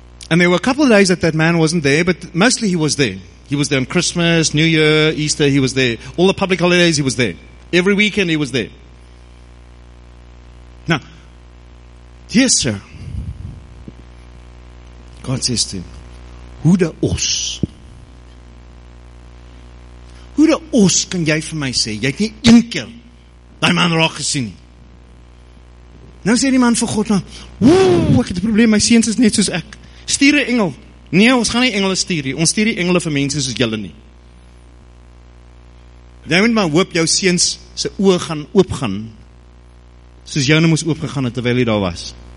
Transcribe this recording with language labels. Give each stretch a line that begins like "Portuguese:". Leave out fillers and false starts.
English: And there were a couple of days that man wasn't there, but mostly he was there. He was there on Christmas, New Year, Easter, he was there. All the public holidays, he was there. Every weekend, he was there. Now, dear sir, God says to him, who the os? Who the
Afrikaans: os can jy vir my sê? Jy het nie een keer die man raak gesien. Nou sê die man vir God, ek het 'n probleem, my seuns is net soos ek. Stuur 'n engel. Nee, ons gaan nie engele stuur nie. Ons stuur die engele vir mense soos julle nie. Jy moet maar hoop jou seuns se oë gaan oopgaan soos joune moes oopgegaan het terwyl hy daar was.